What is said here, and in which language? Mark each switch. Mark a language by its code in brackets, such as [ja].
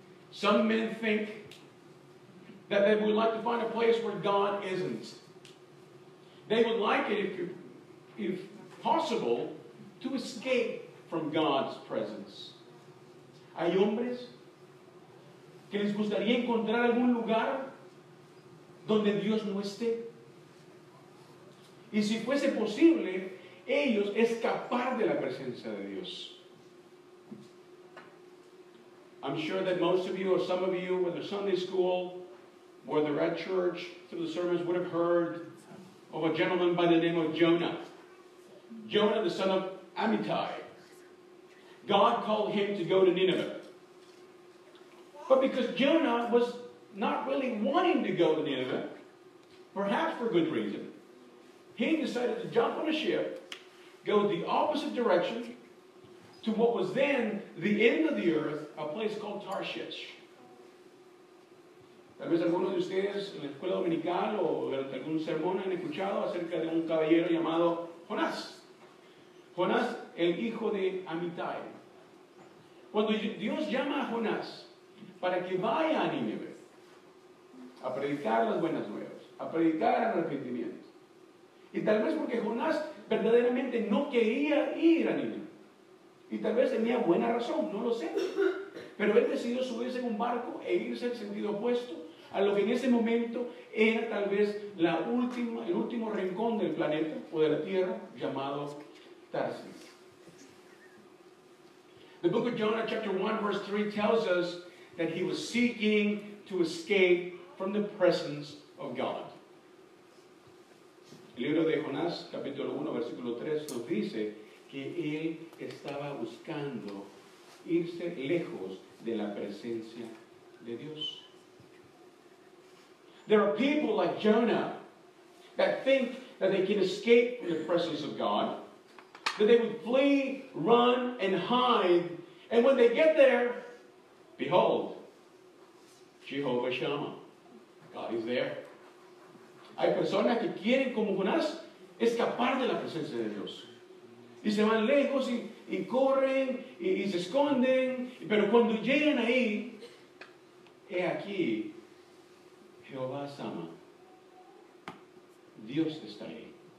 [en] Some men think that they would like to find a place where God isn't. They would like it, if possible, to escape from God's presence. [es] Hay hombres que les gustaría encontrar algún lugar donde Dios no esté. Y si fuese posible, ellos escapar de la presencia de Dios. [en] I'm sure that most of you, or some of you, whether Sunday school, whether at church, through the sermons, would have heard of a gentleman by the name of Jonah. Jonah, the son of Amittai. God called him to go to Nineveh. But because Jonah was not really wanting to go to Nineveh, perhaps for good reason, he decided to jump on a ship, go the opposite direction to what was then the end of the earth, a place called Tarshish. [es] Tal vez alguno de ustedes en la escuela dominical o algún sermón han escuchado acerca de un caballero llamado Jonás. Jonás, el hijo de Amittai. Cuando Dios llama a Jonás para que vaya a Nineveh a predicar las buenas nuevas, a predicar el arrepentimiento. Y tal vez porque Jonás verdaderamente no quería ir a Nineveh. Y tal vez tenía buena razón, no lo sé. Pero él decidió subirse en un barco e irse al sentido opuesto a lo que en ese momento era tal vez la última, el último rincón del planeta o de la tierra llamado Tarsis. [en] The book of Jonah chapter 1 verse 3 tells us that he was seeking to escape from the presence of God. [es] El libro de Jonás capítulo 1 versículo 3 nos dice que él estaba buscando irse lejos de la presencia de Dios. [en] There are people like Jonah that think that they can escape from the presence of God, that they would flee, run, and hide. And when they get there, behold, Jehovah Shama, God is there. [es] Hay personas que quieren, como Jonás, escapar de la presencia de Dios. Y se van lejos y y corren y se esconden, pero cuando llegan ahí, he aquí, Jehová Sama, Dios está ahí.